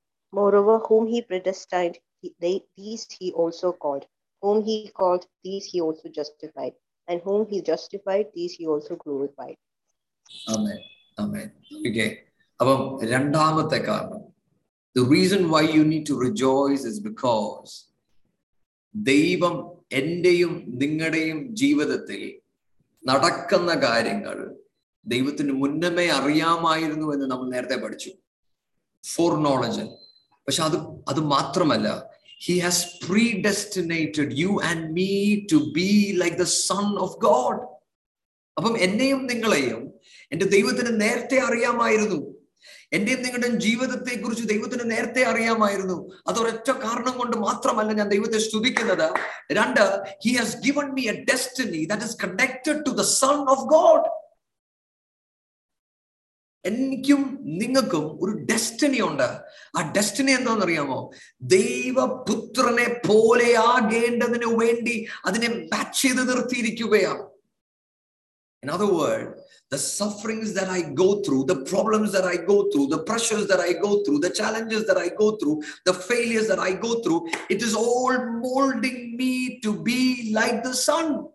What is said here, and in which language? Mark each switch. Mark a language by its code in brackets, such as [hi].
[en] Moreover, whom he predestined, these he also called. Whom he called, these he also justified. And whom he justified, these he also glorified. [ml] Amen. Amen. Okay. Abam randamathe kaaranam. [en] The reason why you need to rejoice is because [ml] Devam endeyum ningadeyum jeevathathil nadakkunna kaaryangal ദൈവത്തിന് മുന്നമേ അറിയാമായിരുന്നു എന്ന് നമ്മൾ നേരത്തെ പഠിച്ചു. [en] For knowledge. [ml] പക്ഷെ അത് അത് മാത്രമല്ല, [en] He has predestinated you and me to be like the son of God. [ml] അപ്പം എന്നെയും നിങ്ങളെയും എൻ്റെ ദൈവത്തിന് നേരത്തെ അറിയാമായിരുന്നു. എന്റെയും നിങ്ങളുടെ ജീവിതത്തെ കുറിച്ച് ദൈവത്തിന് നേരത്തെ അറിയാമായിരുന്നു. അതൊരൊറ്റ കാരണം കൊണ്ട് മാത്രമല്ല ഞാൻ ദൈവത്തെ സ്തുതിക്കുന്നത്. രണ്ട്, [en] He has given me a destiny that is connected to the son of God. [ml] എനിക്കും നിങ്ങൾക്കും ഒരു ഡെസ്റ്റിനി ഉണ്ട്. ആ ഡെസ്റ്റിനി എന്താണെന്നറിയാമോ? ദൈവപുത്രനെ പോലെ ആകേണ്ടതിന് വേണ്ടി അതിനെ മാച്ച് ചെയ്ത് നിർത്തിയിരിക്കുകയാണ്. [en] In other words, the sufferings that I go through, the problems that I go through, the pressures that I go through, the challenges that I go through, the failures that I go through, it is all molding me to be like the Son.